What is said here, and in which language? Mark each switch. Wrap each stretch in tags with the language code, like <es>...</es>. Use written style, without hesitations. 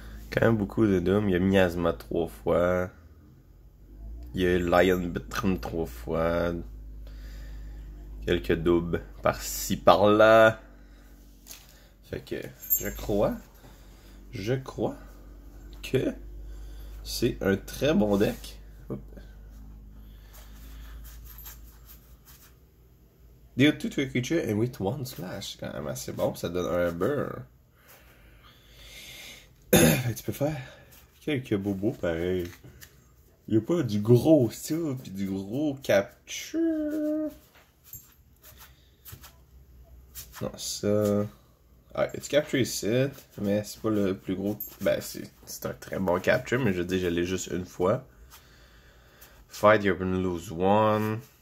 <fr>Quand même beaucoup de Doom. Il y a Miasma 3 fois. Il y a Lion Bitrim 3 fois. Quelques doubles par-ci, par-là. Fait que je crois que c'est un très bon deck.</fr> <en>Deal 2 to a creature and with one slash.</en> <fr>C'est quand même assez bon, ça donne un burn. Fait que tu peux faire quelques bobos pareil. Il n'y a pas du gros steal pis du gros capture. Non, ça. Ah, it's capture ici, mais c'est pas le plus gros. C'est un très bon capture, mais je dis, j'allais juste une fois.</fr> <en>Fight, you're gonna lose one.</en>